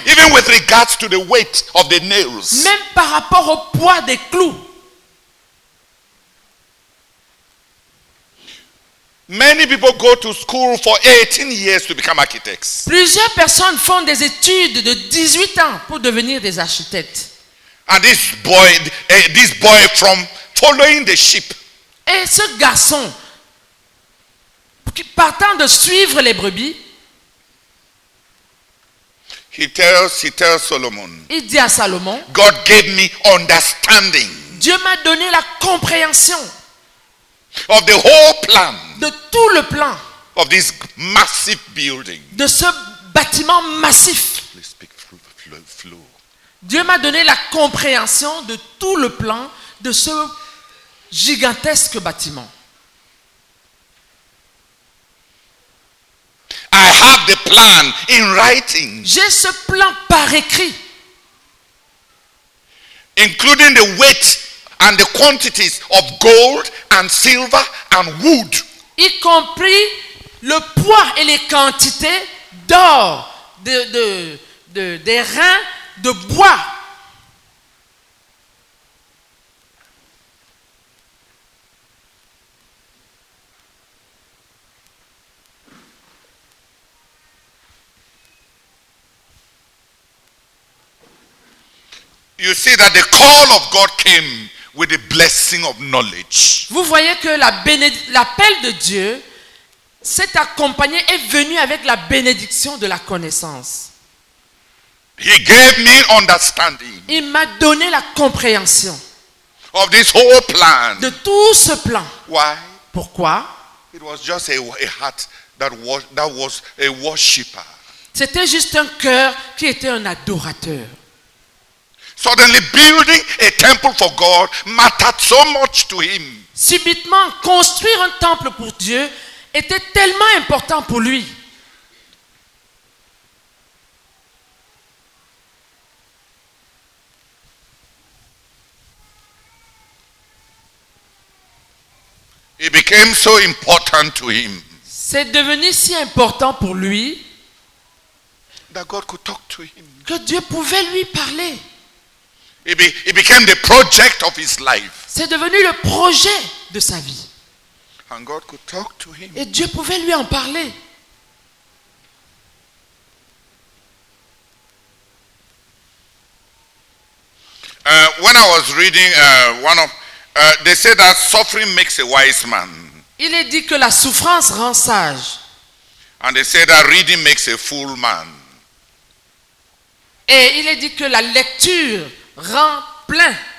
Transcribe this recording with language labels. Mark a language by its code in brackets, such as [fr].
[en] Even with regards to the weight of the nails. [fr] Même par rapport au poids des clous. [en] Many people go to school for 18 years to become architects. [fr] Plusieurs personnes font des études de 18 ans pour devenir des architectes. [en] And this boy from following the sheep. [fr] Et ce garçon partant de suivre les brebis. [en] He tells Solomon. [fr] Il dit à Salomon. [en] God gave me understanding. [fr] Dieu m'a donné la compréhension. [en] Of the whole plan. [fr] De tout le plan. [en] Of this massive building. [fr] De ce bâtiment massif. [en] Please speak flow. [fr] Dieu m'a donné la compréhension de tout le plan de ce gigantesque bâtiment. [en] I have the plan in writing. [fr] J'ai ce plan par écrit. [en] Including the weight and the quantities of gold and silver and wood. [fr] Y compris le poids et les quantités d'or, d'airain, de bois. [en] You see that the call of God came with the blessing of knowledge. [fr] Vous voyez que l'appel de Dieu s'est accompagné et venu avec la bénédiction de la connaissance. [en] He gave me understanding. [fr] Il m'a donné la compréhension [en] of this whole plan. [fr] De tout ce plan. [en] Why? [fr] Pourquoi? [en] It was just a heart that was a worshipper. [fr] C'était juste un cœur qui était un adorateur. [en] Suddenly building a temple for God mattered so much to him. [fr] Subitement, construire un temple pour Dieu était tellement important pour lui. [en] It became so important to him. [fr] C'est devenu si important pour lui [en] that God could talk to him. [fr] Que Dieu pouvait lui parler. [en] It became the project of his life. [fr] C'est devenu le projet de sa vie. [en] And God could talk to him. [fr] Et Dieu pouvait lui en parler. [en] When I was reading one of they say that suffering makes a wise man. [fr] Il est dit que la souffrance rend sage. [en] And they say that reading makes a fool man. [fr] Et il est dit que la lecture rend plein.